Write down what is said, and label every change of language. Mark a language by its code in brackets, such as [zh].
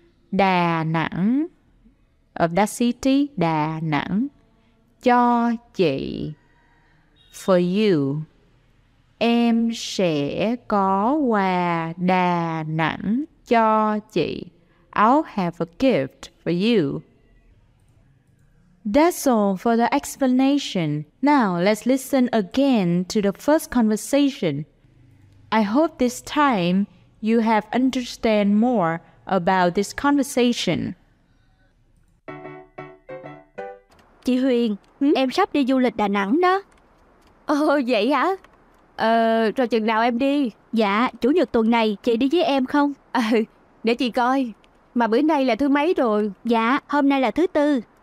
[en] Đà Nẵng, of that city, Đà Nẵng, [vi] cho chị, [en] for you. [vi] Em sẽ có quà Đà Nẵng cho chị. [en] I'll have a gift for you. That's all for the explanation. Now let's listen again to the first conversation. I hope this time you have understand more about this conversation. [vi] Chị Huyền, em sắp đi du lịch Đà Nẵng đó. Vậy hả? Rồi chừng nào em đi? Dạ, chủ nhật tuần này chị đi với em không? Để chị coi. Mà bữa nay là thứ mấy rồi? Dạ, hôm nay là thứ tư.